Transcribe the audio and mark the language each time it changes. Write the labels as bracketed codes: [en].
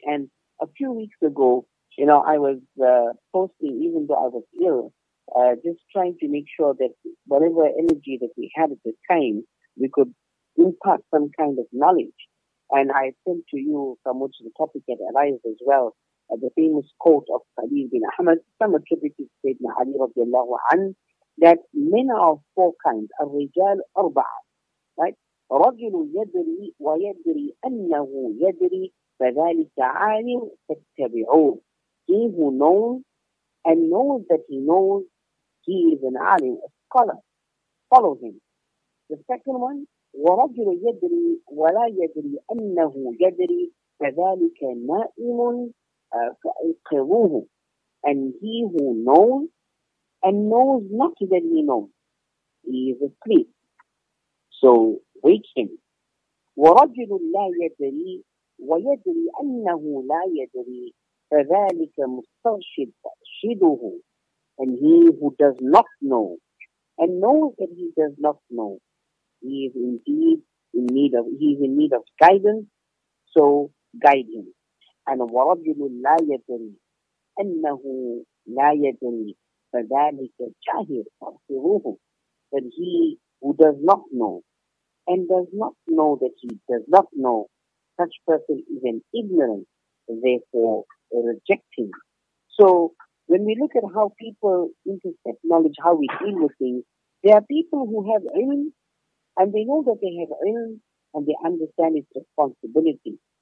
[en] And a few weeks ago, you know, I was posting, even though I was ill, just trying to make sure that whatever energy that we had at the time, we could impart some kind of knowledge. And I sent to you, from which the topic had arisen as well, the famous quote of Khalid bin Ahmad, some attributed to Sayyidina Ali radiallahu anhu, that men are of four kinds, al-rijal arba'a, right? [ar] رجل يدري ويدري أنه يدري فذلك عالم فاتبعوه. [en] He who knows and knows that he knows, he is an alim, a scholar. Follow him. The second one, [ar] ورجل يدري ولا يدري أنه يدري فذلك نائم فأيقظوه. [en] And he who knows and knows not that he knows, he is asleep. So, wake him. [ar] ورجل لا يدري ويدري أنه لا يدري فذلك مستغشد شده. [en] And he who does not know and knows that he does not know, he is indeed in need of, he is in need of guidance, so guide him. [ar] And ورجل لا يدري أنه لا يدري فذلك جاهل فاغفروه. [en] But he who does not know and does not know that he does not know, such person is an ignorant, therefore reject him. So when we look at how people intercept knowledge, how we deal with things, there are people who have ilm, and they know that they have ilm, and they understand its responsibility.